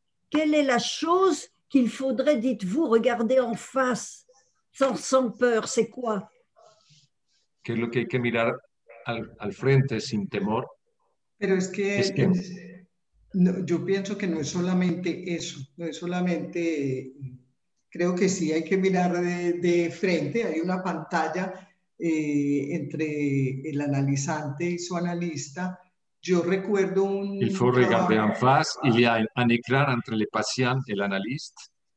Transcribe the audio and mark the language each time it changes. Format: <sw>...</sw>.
<fr>Quelle est la chose qu'il faudrait, dites-vous, regarder en face, sans peur, c'est quoi? Qu'est-ce qu'il faut</fr> <es>mirar al frente, sin temor?</es> <fr>Mais est-ce que...</fr> <es>No, yo pienso que no es solamente eso, no es solamente, creo que sí hay que mirar de frente, hay una pantalla entre el analizante y su analista. Yo recuerdo un...</es> <fr>Il faut regarder en face, il y a un écran entre le patient et l'analyste.</fr>